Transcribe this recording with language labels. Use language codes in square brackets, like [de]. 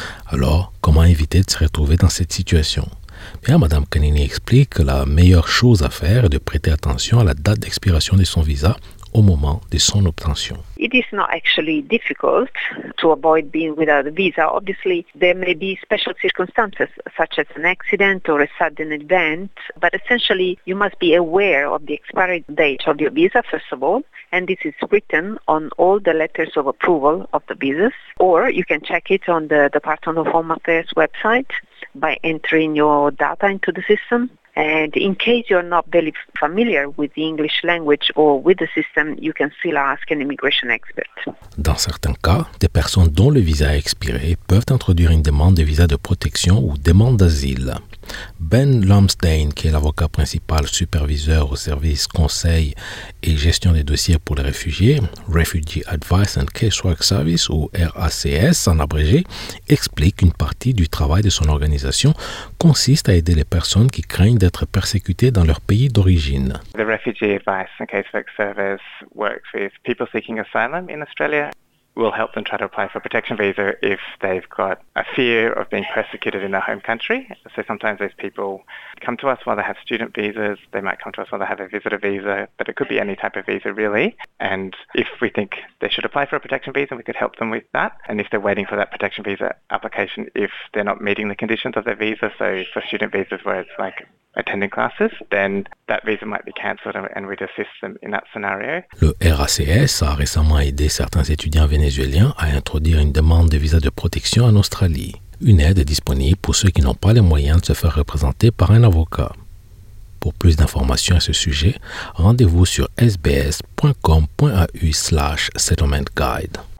[fr] Alors, comment éviter de se retrouver dans cette situation ? Bien, Mme Canini explique que la meilleure chose à faire est de prêter attention à la date d'expiration de son visa au moment de son obtention. [en] It is not actually difficult to avoid being without a visa. Obviously, there may be special circumstances such as an accident or a sudden event, but essentially you must be aware of the expiry date of your visa, first of all, and this is written on all the letters of approval of the visas, or you can check it on the Department of Home Affairs website by entering your data into the system. And in case you're not very familiar with the English language or with the system, you can still ask an immigration expert. [fr] Dans certains cas, des personnes dont le visa a expiré peuvent introduire une demande de visa de protection ou demande d'asile. Ben Lumsdaine, qui est l'avocat principal superviseur au service conseil et gestion des dossiers pour les réfugiés, Refugee Advice and Casework Service, ou RACS en abrégé, explique qu'une partie du travail de son organisation consiste à aider les personnes qui craignent d'être persécutées dans leur pays d'origine. [en] The Refugee Advice and Casework Service works with people seeking asylum in Australia. We'll help them try to apply for protection visa if they've got a fear of being persecuted in their home country. So sometimes those people come to us while they have student visas. They might come to us while they have a visitor visa, but it could be any type of visa really. And if we think they should apply for a protection visa, we could help them with that. And if they're waiting for that protection visa application, if they're not meeting the conditions of their visa, so for student visas where it's like attending classes, then that visa might be cancelled and we'd assist them in that scenario. [fr] Le RACS a récemment aidé certains étudiants vénézuéliens à introduire une demande de visa de protection en Australie. Une aide est disponible pour ceux qui n'ont pas les moyens de se faire représenter par un avocat. Pour plus d'informations à ce sujet, rendez-vous sur sbs.com.au/settlementguide.